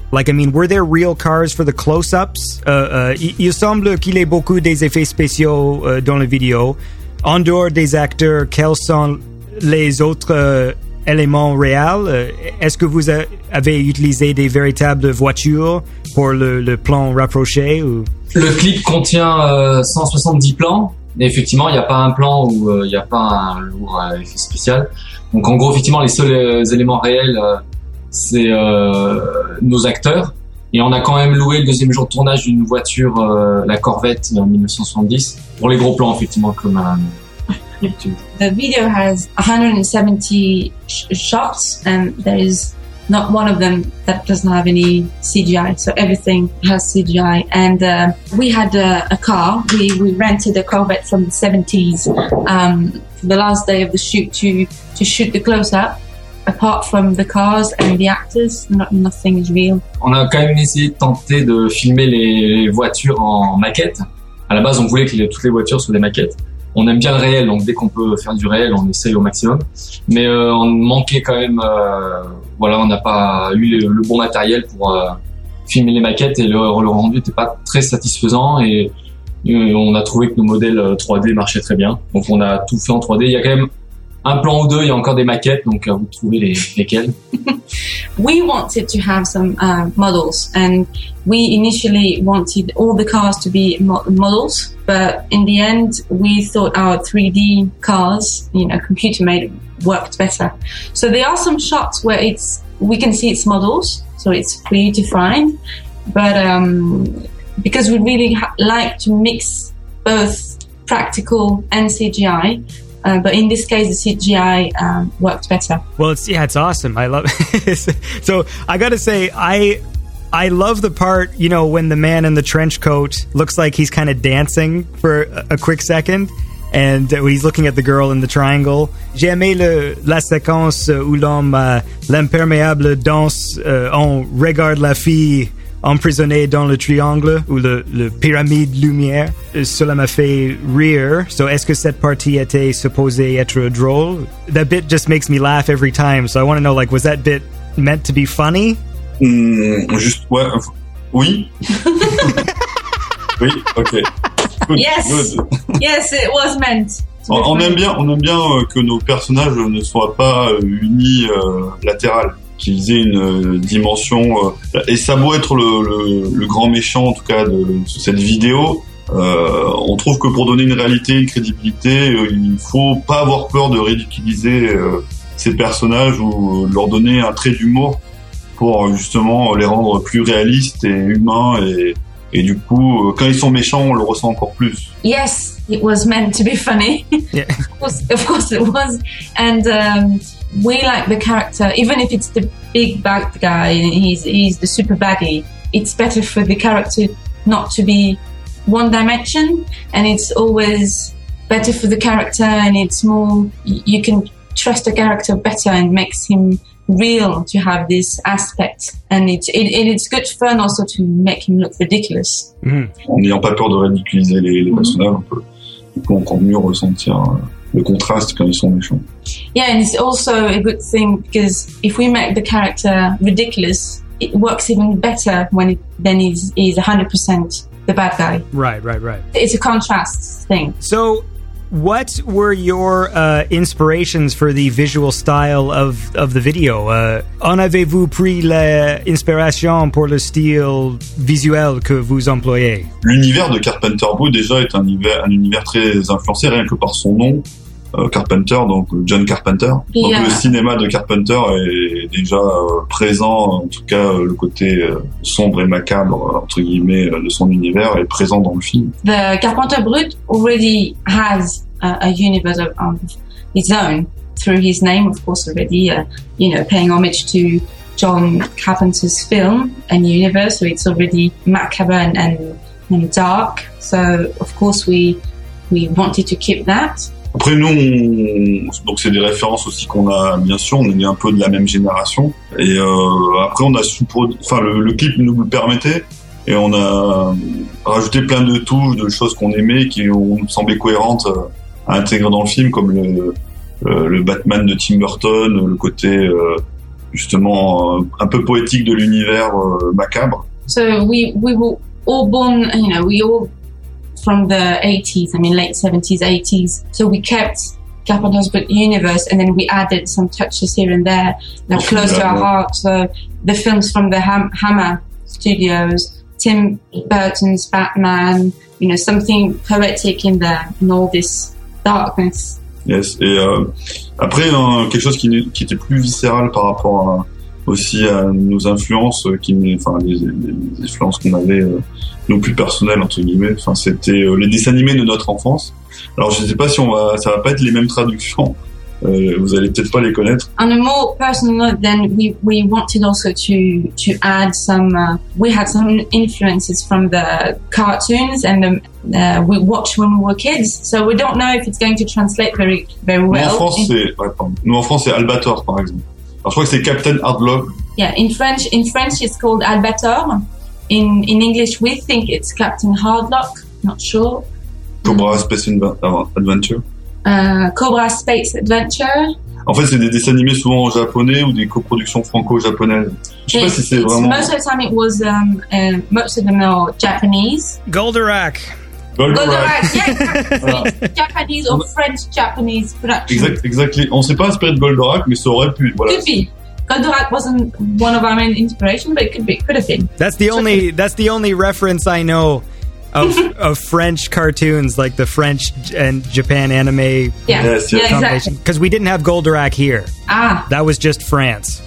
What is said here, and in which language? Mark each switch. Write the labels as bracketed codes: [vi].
[en] Like, I mean, were there real cars for the close-ups? [fr] Il semble qu'il y ait beaucoup des effets spéciaux dans la vidéo. En dehors des acteurs, quels sont les autres éléments réels? Est-ce que vous avez utilisé des véritables voitures pour le plan rapproché? Ou... Le clip contient 170 plans. Et effectivement, il n'y a pas un plan où il n'y a pas un lourd effet spécial. Donc, en gros, effectivement, les seuls éléments réels... c'est nos acteurs. Et on a quand même loué le deuxième jour de tournage d'une voiture, la Corvette 1970, pour les gros plans, effectivement, comme YouTube. [en] The video has 170 shots, and there is not one of them that doesn't have any CGI. So everything has CGI. And we had a car. We rented a Corvette from the 70s for the last day of the shoot to shoot the close-up. Apart from the cars and the actors, nothing is real. [fr] On a quand même essayé de tenter de filmer les voitures en maquette. À la base, on voulait que toutes les voitures soient des maquettes. On aime bien le réel, donc dès qu'on peut faire du réel, on essaye au maximum. Mais on manquait quand même, voilà, on n'a pas eu le bon matériel pour filmer les maquettes et le rendu n'était pas très satisfaisant et on a trouvé que nos modèles 3D marchaient très bien. Donc on a tout fait en 3D. Il y a quand même un plan ou deux, il y a encore des maquettes, donc vous trouvez lesquelles. [en] We wanted to have some models, and we initially wanted all the cars to be models, but in the end, we thought our 3D cars, you know, computer made, worked better. So there are some shots where it's, we can see it's models, so it's free to find, but because we really like to mix both practical and CGI, but in this case, the CGI worked better. Well, it's awesome. I love it. So I got to say, I love the part, you know, when the man in the trench coat looks like he's kind of dancing for a quick second. And he's looking at the girl in the triangle. [fr] J'ai aimé la séquence où l'homme l'imperméable danse en regarde la fille emprisonné dans le triangle ou le pyramide lumière. Cela m'a fait rire. So, est-ce que cette partie était supposée être drôle? [en] That bit just makes me laugh every time. So, I want to know, like, was that bit meant to be funny? [fr] Juste, ouais. Oui. Oui, OK. [en] Good. Yes. Good. Yes, it was meant. [fr] On aime bien que nos personnages ne soient pas unilatérales. Qu'ils aient une dimension et ça peut être le grand méchant en tout cas de cette vidéo. On trouve que pour donner une réalité, une crédibilité, il faut pas avoir peur de ridiculiser ces personnages ou leur donner un trait d'humour pour justement les rendre plus réalistes et humains et du coup quand ils sont méchants, on le ressent encore plus. [en] Yes, it was meant to be funny. Yeah. Of course it was. And we like the character, even if it's the big bad guy and he's the super baddie, it's better for the character not to be one dimension, and it's always better for the character, and it's more, you can trust the character better and makes him real to have this aspect, and it's good fun also to make him look ridiculous. [fr] Mm. En n'ayant pas peur de ridiculiser les personnages, on peut du coup encore mieux ressentir le contraste quand ils sont méchants. [en] Yeah, and it's also a good thing because if we make the character ridiculous, it works even better when he's 100% the bad guy. Right. It's a contrast thing. So, what were your inspirations for the visual style of the video? [fr] En avez-vous pris l'inspiration pour le style visuel que vous employez? L'univers de Carpenter Brut déjà est un univers très influencé rien que par son nom. Carpenter, donc John Carpenter. [en] Yeah. [fr] Donc le cinéma de Carpenter est déjà présent, en tout cas le côté sombre et macabre entre guillemets de son univers est présent dans le film. [en] The Carpenter Brut already has a universe of its own through his name, of course, already you know, paying homage to John Carpenter's film and universe, so it's already macabre and dark. So of course we wanted to keep that. [fr] Après, nous, donc c'est des références aussi qu'on a, bien sûr, on est un peu de la même génération. Et après, on a enfin, le clip nous le permettait. Et on a rajouté plein de touches, de choses qu'on aimait, qui nous semblaient cohérentes à intégrer dans le film, comme le Batman de Tim Burton, le côté justement un peu poétique de l'univers macabre. [en] So we were all born, you know, we all from the 80s, I mean late 70s, 80s. So we kept Carpenter's Book universe, and then we added some touches here and there that are close to our heart. So the films from the Hammer Studios, Tim Burton's Batman, you know, something poetic in there, in all this darkness. [fr] Yes, et après, quelque chose qui était plus viscéral par rapport à, aussi à nos influences, les influences qu'on avait, nos plus personnelles, entre guillemets, enfin, c'était les dessins animés de notre enfance. Alors, je ne sais pas si ça va pas être les mêmes traductions, vous allez peut-être pas les connaître. [en] On a more personal note, then we wanted also to add some. We had some influences from the cartoons and the we watched when we were kids. So we don't know if it's going to translate very very well. [fr] Nous en France c'est Albator par exemple. Alors, je crois que c'est Captain Hardlock. [en] Yeah, in French it's called Albator. In English we think it's Captain Hardlock. Not sure. Cobra Space Adventure. Cobra Space Adventure. [fr] En fait, c'est des dessins animés souvent en japonais ou des coproductions franco-japonaises. Je sais pas si c'est vraiment. [en] Most of the time, it was most of them are Japanese. Goldorak. Goldorak. Yes. Voilà. Japanese or French Japanese production. Exactly. [fr] On ne s'est pas inspiré de Goldorak, mais ça aurait pu. Voilà. [en] Could be. Goldorak wasn't one of our main inspiration, but it could be. Could have been. That's the only reference I know. Of French cartoons, like the French and Japan anime combination. Yeah, exactly. Because we didn't have Goldorak here. Ah. That was just France.